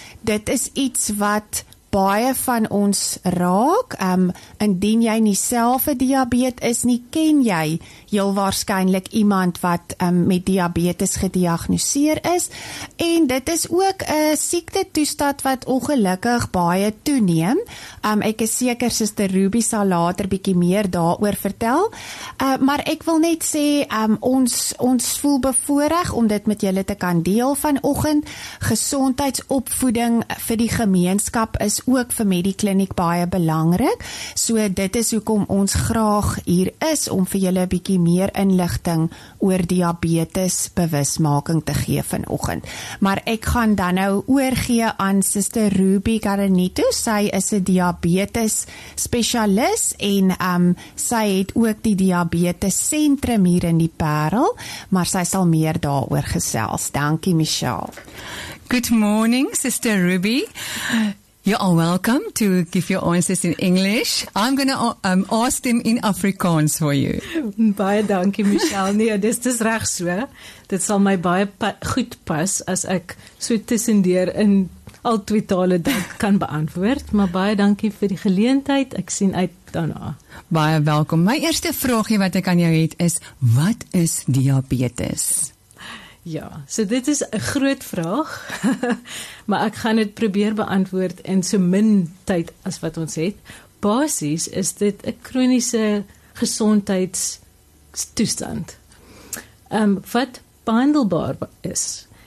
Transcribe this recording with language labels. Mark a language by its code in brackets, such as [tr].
[af] Dit is iets wat baie van ons raak, indien jy nie self 'n diabetes is nie, ken jy heel waarskynlik iemand wat met diabetes gediagnoseer is. En dit is ook 'n siektetoestand wat ongelukkig baie toeneem. Ek is seker Sister Ruby sal later bietjie meer daaroor vertel. Maar ek wil net sê, ons voel bevoorreg om dit met julle te kan deel vanoggend. Gesondheidsopvoeding vir die gemeenskap is ook vir Mediclinic baie belangrik. So dit is hoekom ons graag hier is om vir julle 'n bietjie meer inligting oor diabetes bewusmaking te gee vanoggend. Maar ek gaan dan nou oorgee aan Sister Ruby Garanito. Sy is 'n diabetes spesialis en sy het ook die diabetes sentrum hier in die Parel, maar sy sal meer daaroor gesels. Dankie Michelle. [en] Good morning Sister Ruby. You are welcome to give your answers in English. I'm going to ask them in Afrikaans for you. [af] Baie dankie Michelle. Nee, dit is reg so. Dit sal my baie goed pas as ek so tussendeur in al twee tale dit kan beantwoord. Maar baie dankie vir die geleentheid. Ek sien uit daarna. Baie welkom. My eerste vraagie wat ek aan jou het is, wat is diabetes? Ja, so dit is 'n groot vraag, maar ek gaan dit probeer beantwoord in so min tyd as wat ons het. Basies is dit 'n kroniese gesondheidstoestand wat behandelbaar is.